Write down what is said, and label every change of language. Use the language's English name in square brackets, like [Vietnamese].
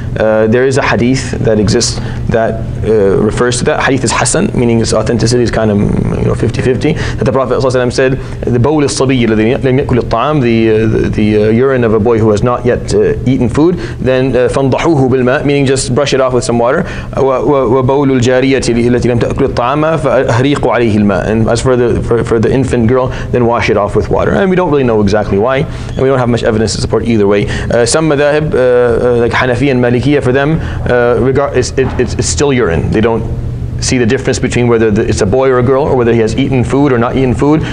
[English] There is a hadith that exists that refers to that. Hadith is Hassan, meaning its authenticity is kind of 50-50. That the Prophet ﷺ said, "The bowl is [Arabic] الصبي الذي لم يأكل الطعام," [English] the urine of a boy who has not yet eaten food. Then [Arabic] فانضحوه بالماء, [English] meaning just brush it off with some water. [Arabic] وبول الجارية التي لم تأكل الطعام فأهريق عليه الماء. [English] And as for the infant girl, then wash it off with water. And we don't really know exactly why, and we don't have much evidence to support either way. Some madhahib, like Hanafi and Malikiya, for them, it's still urine. They don't see the difference between whether it's a boy or a girl, or whether he has eaten food or not eaten food.